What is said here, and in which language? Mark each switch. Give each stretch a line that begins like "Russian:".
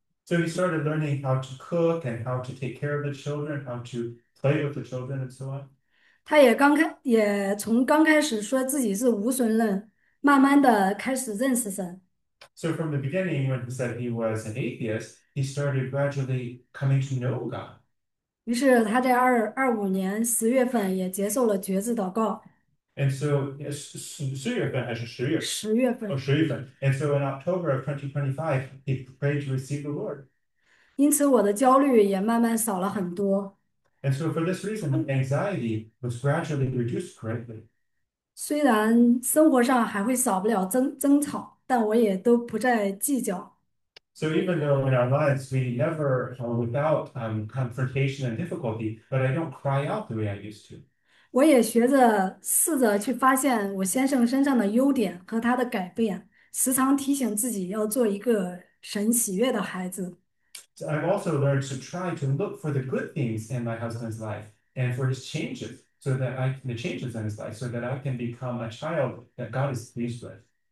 English: So he started learning how to cook and how to take care of the children, how to play with the children, and so on.
Chinese: 也从刚开始说自己是无神论，慢慢的开始认识神。
English: So from the beginning, when he said he was an atheist, he started gradually coming to know God.
Chinese: 于是他在2025年10月份也接受了决志祷告。
English: And so,
Chinese: 4月份还是十月份？十月哦，份， 11月份。
English: And so, in October of 2025, he prayed to receive the Lord.
Chinese: 因此我的焦虑也慢慢少了很多。
English: And so, for this reason, the anxiety was gradually reduced greatly.
Chinese: 虽然生活上还会少不了争吵，但我也都不再计较。
English: So, even though in our lives we never are without confrontation and difficulty, but I don't cry out the way I used to.
Chinese: 我也试着去发现我先生身上的优点和他的改变，时常提醒自己要做一个神喜悦的孩子。
English: So I've also learned to try to look for the good things in my husband's life and for his changes, so that I the changes in his life, so that I can become a child that God is pleased with.